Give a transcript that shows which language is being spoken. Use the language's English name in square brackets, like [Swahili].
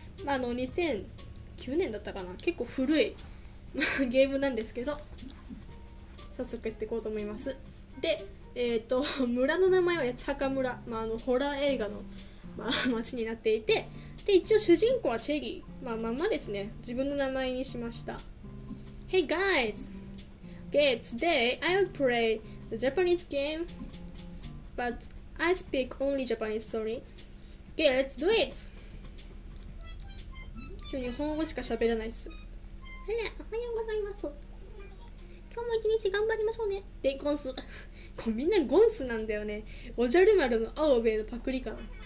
[Japanese] 2009年だったかな、結構古いゲームなんですけど、早速やっていこうと思います。で、村の名前は八坂村、ホラー映画の、町になっていて、で一応主人公はチェリー、まあですね、自分の名前にしました。 [English] Hey guys! Okay, today I will play the Japanese game, but I speak only Japanese, sorry. Okay, let's do it! [Japanese] 今日日本語しか喋らないっす。おはようございます。今日も一日頑張りましょうね。で、ゴンス。みんなゴンスなんだよね。おじゃる丸のアオベのパクリ感。